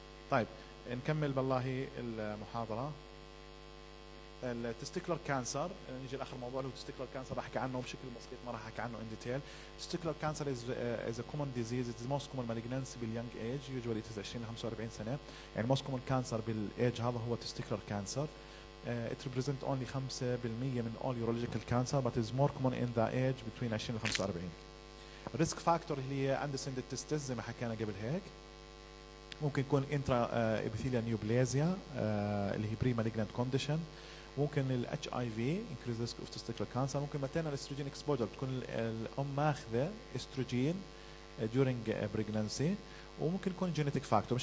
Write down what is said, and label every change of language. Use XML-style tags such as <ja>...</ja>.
<ar>طيب نكمل بالله المحاضرة. التستيكلر كانسر، نجي لآخر موضوع اللي هو تستيكلر كانسر، راح أحكي عنه بشكل بسيط ما راح أحكي عنه</ar> <en>in detail. Testicular cancer is a common disease, it's the most common malignancy in young age, usually it is 20-45 سنة. يعني most common cancer بالage</en> <ar>هذا هو</ar> <en>Testicular cancer. It represent only 5% من all urological cancer, but is more common in the age between 20-45.</en> <ar>الريسك فاكتور اللي هي اندسند التستس زي ما حكينا قبل هيك، ممكن يكون انترا ابيثيليا نيوبليزيا اللي هي بري مالجنت كونديشن، ممكن الاتش اي في انكريز ريسك اوف تستيكلر كانسر، ممكن متينا الاستروجين اكسبوجر تكون الام ماخذه استروجين دورينج بريجننسي، وممكن يكون جينيتك فاكتور.</ar>